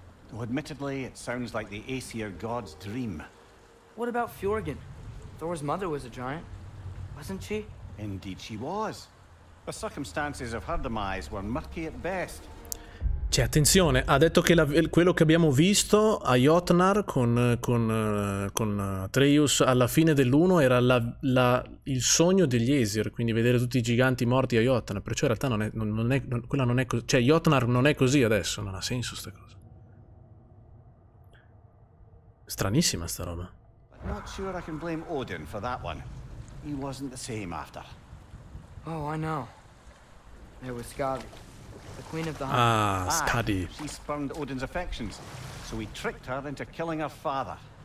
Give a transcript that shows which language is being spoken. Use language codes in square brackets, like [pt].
[en] Though admittedly, it sounds like the Aesir god's dream. What about Fjorgyn? Thor's mother was a giant, wasn't she? Indeed, she was. The circumstances of her demise were murky at best. [it] Cioè, attenzione, ha detto che quello che abbiamo visto a Jotnar con Atreus alla fine dell'uno era il sogno degli Aesir, quindi vedere tutti i giganti morti a Jotnar, perciò in realtà non è così, cioè Jotnar non è così adesso, non ha senso sta cosa. Stranissima sta roba. [en] Not sure I can blame Odin for that one. He wasn't the same after. Oh, I know. There was Skadi. Ah, Skadi. She spurned Odin's affections, so we tricked her into killing her father.